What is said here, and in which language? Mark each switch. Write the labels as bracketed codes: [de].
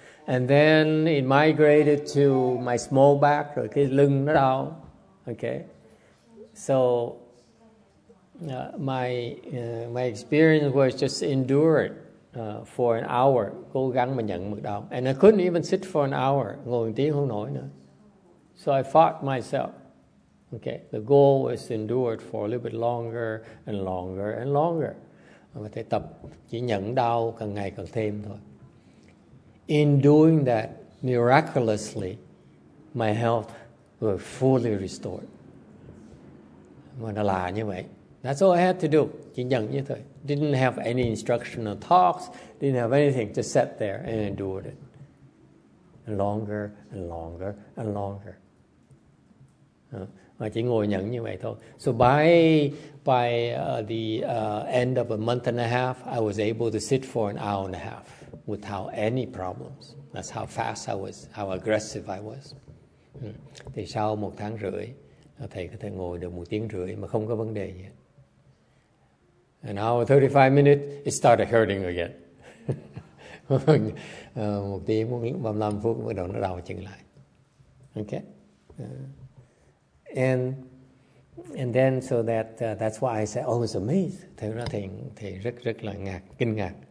[en] And then it migrated to my small back, [vi] rồi cái lưng nó đau. [en] Okay. So my experience was just endure it for an hour, [vi] cố gắng mà nhận mực đau. [en] And I couldn't even sit for an hour, [vi] ngồi một tiếng không nổi nữa. [en] So I fought myself. Okay. The goal was to endure it for a little bit longer and longer and longer. [vi] Mà thầy tập chỉ nhận đau càng ngày càng thêm thôi. [en] In doing that, miraculously, my health was fully restored. [vi] Mà nó là như vậy. [en] That's all I had to do. [vi] Chỉ nhận như thôi. [en] Didn't have any instructional talks. Didn't have anything. Just sat there and endured it. Longer and longer and longer. [vi] Mà chỉ ngồi nhận như vậy thôi. [en] So by the end of a month and a half, I was able to sit for an hour and a half without any problems. That's how fast I was, how aggressive I was. [vi] Thì sau một tháng rưỡi, thầy có thể ngồi được một tiếng rưỡi mà không có vấn đề gì. [en] An hour 35 minutes, it started hurting again. [vi] Một tiếng 35 phút bắt đầu nó đau chừng lại. [en] Okay. And then that's why I said, oh, it's amazing. [vi] Thật ra thì rất rất là ngạc, kinh ngạc.